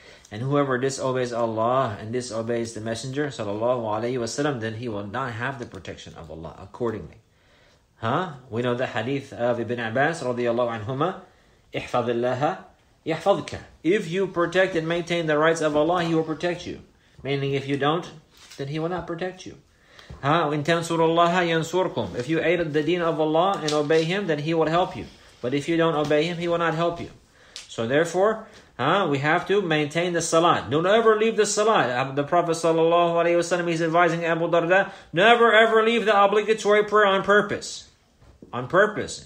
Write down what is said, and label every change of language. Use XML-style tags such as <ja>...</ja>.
<en>And whoever disobeys Allah and disobeys the Messenger sallallahu alayhi wa sallam, then he will not have the protection of Allah accordingly. Huh? We know the hadith of Ibn Abbas radiallahu anhuma,</en> <ar>احفظ الله يحفظك.</ar> <en>If you protect and maintain the rights of Allah, He will protect you. Meaning if you don't, then He will not protect you.</en> <ar>In تَنْصُرُ اللَّهَ يَنْصُرْكُمْ.</ar> <en>If you aid the deen of Allah and obey Him, then He will help you. But if you don't obey Him, He will not help you. So therefore, we have to maintain the salat. Don't ever leave the salat. The Prophet sallallahu alayhi wasallam is advising Abu Darda, never ever leave the obligatory prayer on purpose. On purpose.</en>